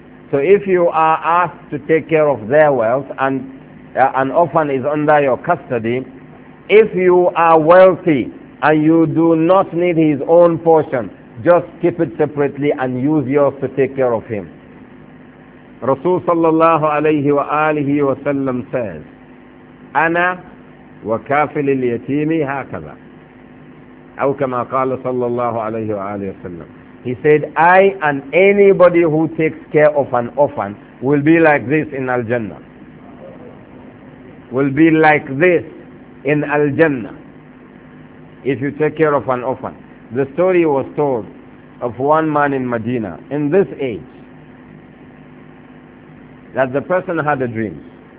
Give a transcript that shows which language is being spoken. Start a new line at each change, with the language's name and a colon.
English: So if you are asked to take care of their wealth and an orphan is under your custody, if you are wealthy and you do not need his own portion, just keep it separately and use yours to take care of him. Rasul sallallahu alayhi wa alihi wa sallam says,
Arabic: أنا وكافل اليتيم هكذا. أو كما قال صلى الله عليه وآله وسلم.
English: He said, I and anybody who takes care of an orphan will be like this in Al-Jannah. Will be like this in Al-Jannah. If you take care of an orphan. The story was told of one man in Medina, in this age, that the person had a dream.